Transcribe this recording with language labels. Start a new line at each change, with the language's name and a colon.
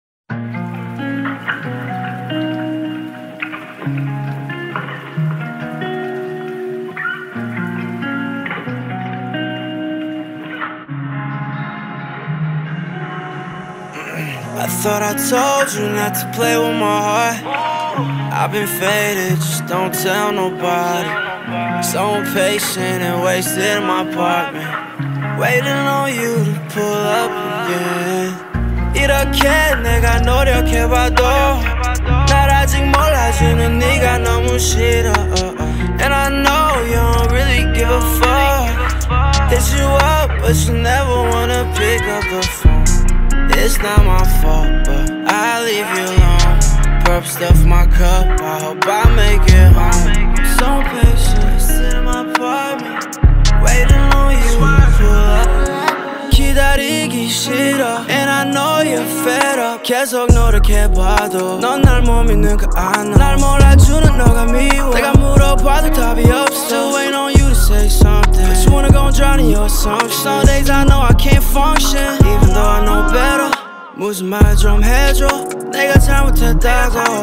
English: I thought I told you not to play with my heart. I've been faded, just don't tell nobody. So impatient and wasted in my apartment, waiting on you to pull up again.
Korean: 이렇게 내가 노력해봐도 날 아직 몰라주는 네가 너무 싫어.
English: And I know you don't really give a fuck. Hit you up, but you never wanna pick up the phone. It's not my fault, but I leave you alone. Burp stuff my cup, I hope I make it home. So patient, sit in my apartment, waiting on you to pull up.
Korean: 기다리기 싫어,
English: and I know you're fed up.
Korean: 계속 노력해봐도 넌 날 못 믿는 거 아나. 날 몰라주는 너가 미워, 내가 물어봐도 답이 없어.
English: Still waiting on you to say something, cause you wanna go and drown in your assumptions. Some days I know I can't function, even though I know better.
Korean: 무슨 말 좀 해줘, 내가 잘못했다고.